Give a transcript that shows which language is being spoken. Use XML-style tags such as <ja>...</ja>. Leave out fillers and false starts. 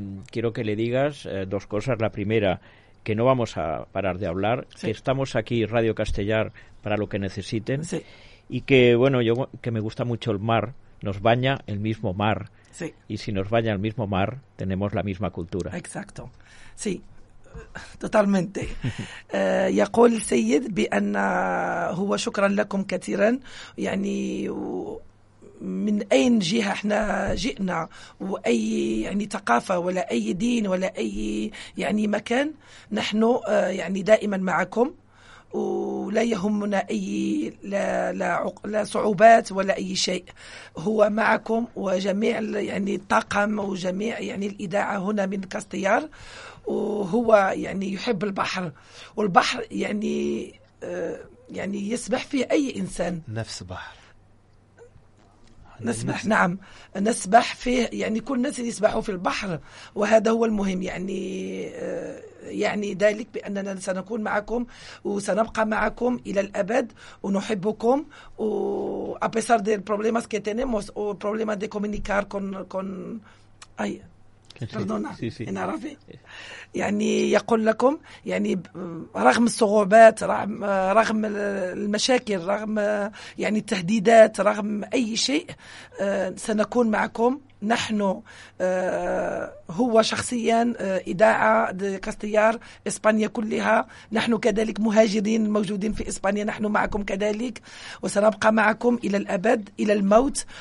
<es>Quiero que le digas dos cosas. La primera, que no vamos a parar de hablar, que estamos aquí, Radio Castellar, para lo que necesiten. Sí. Y que, bueno, yo que me gusta mucho el mar, nos baña el mismo mar. Sí. Y si nos baña el mismo mar, tenemos la misma cultura. Exacto, sí. Totalmente.</es> <ar>يقول السيد بأن هو شكرا لكم كثيرا، يعني من أين جهة احنا جئنا، وأي يعني ثقافة ولا أي دين ولا أي يعني مكان، نحن يعني دائما معكم، ولا يهمنا أي لا صعوبات ولا أي شيء. هو معكم وجميع يعني الطاقم وجميع يعني الإذاعة هنا من كاستيار، وهو يعني يحب البحر، والبحر يعني يعني يسبح فيه أي إنسان. نفس بحر نسبح الناس. نعم نسبح فيه، يعني كل الناس يسبحوا في البحر، وهذا هو المهم. يعني ذلك بأننا سنكون معكم وسنبقى معكم إلى الأبد، ونحبكم و</ar> <es>a pesar de problemas que tenemos o problema de comunicar con ay perdona en árabe.</es> <ar>يعني يقول لكم يعني رغم الصعوبات، رغم المشاكل، رغم يعني التهديدات، رغم أي شيء، سنكون معكم. نحن هو شخصيا، إذاعة كاستيار إسبانيا كلها، نحن كذلك مهاجرين موجودين في إسبانيا، نحن معكم كذلك، وسنبقى معكم إلى الأبد إلى الموت.</ar>